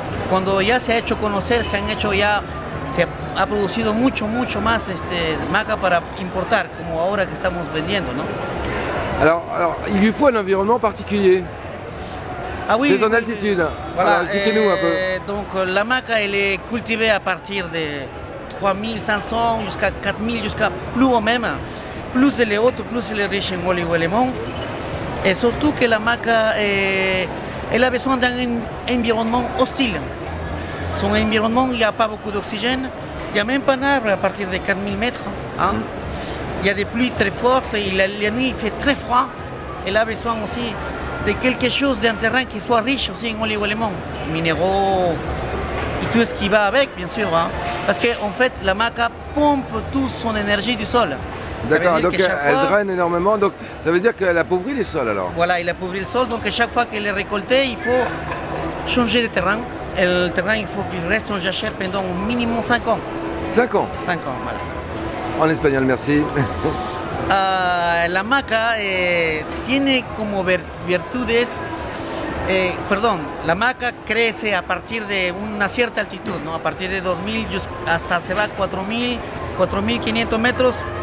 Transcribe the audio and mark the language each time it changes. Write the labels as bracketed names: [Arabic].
[Spanish] Cuando ya se ha hecho conocer, se ha producido mucho más maca para importar, como ahora que estamos vendiendo, ¿no? [French] Alors, il lui faut un environnement particulier. Ah oui. C'est en altitude. Voilà, expliquez-nous un peu. Donc la maca elle est cultivée à partir de 3500 jusqu'à 4000 jusqu'à plus haut même. Plus elle est haute, plus elle est riche en olive et lemon. Et surtout que la maca, elle a besoin d'un environnement hostile. Son environnement, il n'y a pas beaucoup d'oxygène. Il n'y a même pas d'arbre à partir de 4000 mètres. Hein. Il y a des pluies très fortes et la nuit fait très froid. Elle a besoin aussi de quelque chose, d'un terrain qui soit riche aussi en olive et lemon. Minéraux et tout ce qui va avec, bien sûr. Hein. Parce qu'en fait, la maca pompe toute son énergie du sol. D'accord, donc elle draine énormément, donc ça veut dire qu'elle appauvrit les sols alors. Voilà, elle appauvrit le sol, donc à chaque fois qu'elle est récoltée, il faut changer de terrain. Et le terrain, il faut qu'il reste en jachère pendant au minimum 5 ans. 5 ans ? 5 ans, voilà. En espagnol, merci. [Spanish] La maca tiene como virtudes. Perdón, la maca crece a partir de una cierta altitud, ¿no? A partir de 2000 hasta se va a 4000, 4500 metros.